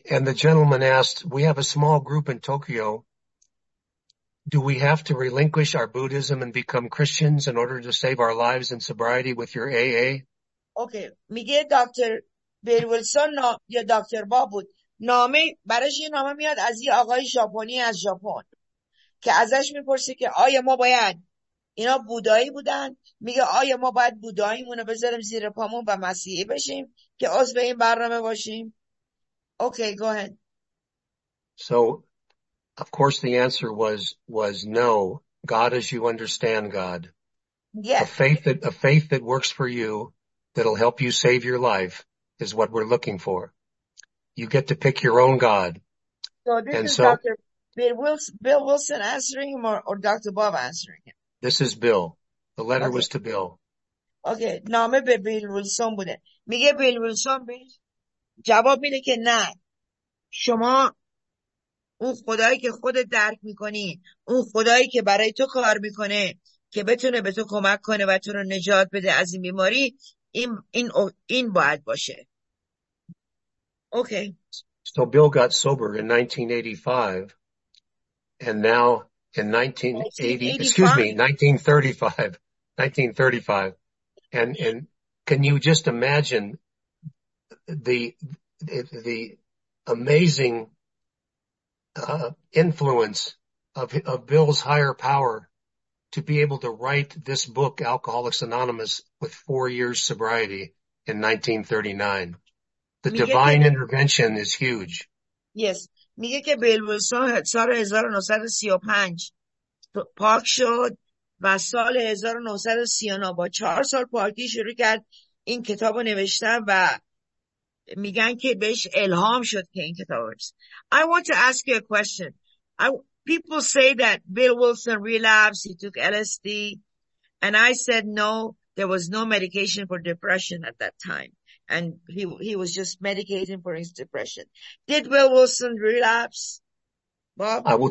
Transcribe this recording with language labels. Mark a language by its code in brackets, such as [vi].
[en] And the gentleman asked, we have a small group in Tokyo. Do we have to relinquish our Buddhism and become Christians in order to save our lives in sobriety with your AA? [fa] Okay, میگه دکتر بیل ویلسون یا دکتر باب بود، نامه برایش، یه نامه میاد از یه آقای ژاپنی از ژاپن که ازش میپرسه که آیا ما باید، اینا بودایی بودن، میگه آیا ما باید بوداییمونو بذاریم زیر پامون و مسیحی بشیم که عضو این برنامه باشیم. [en] Okay, go ahead. So of course the answer was no, God as you understand God. Yeah. A faith that works for you, that'll help you save your life, is what we're looking for. You get to pick your own God. So this and is so, Dr. Bill Wilson answering him, or Dr. Bob answering him? This is Bill. The letter was to Bill. [fa] Okay. نامه به بیل ویلسون بوده. میگه بیل ویلسون بهش جواب میده که نه. شما اون خدایی که خودت درک میکنی، اون خدایی که برای تو کار میکنه که بتونه به تو کمک کنه و تو رو نجات بده از این بیماری، این باید باشه. [en] Okay. So Bill got sober in 1985 and now in 1980, excuse me, 1935. And can you just imagine the amazing influence of Bill's higher power to be able to write this book, Alcoholics Anonymous, with 4 years sobriety in 1939? The divine intervention is huge. Yes. [fa] میگه که بیل ویلسون سال 1935 پاک شد و سال 1939 با 4 سال پاکی شروع کرد این کتاب رو نوشتن و میگن که بهش الهام شد که این کتاب رو. [en] I want to ask you a question. People say that Bill Wilson relapsed, he took LSD, and I said no, there was no medication for depression at that time. And he was just medicating for his depression. Did Bill Wilson relapse, Bob?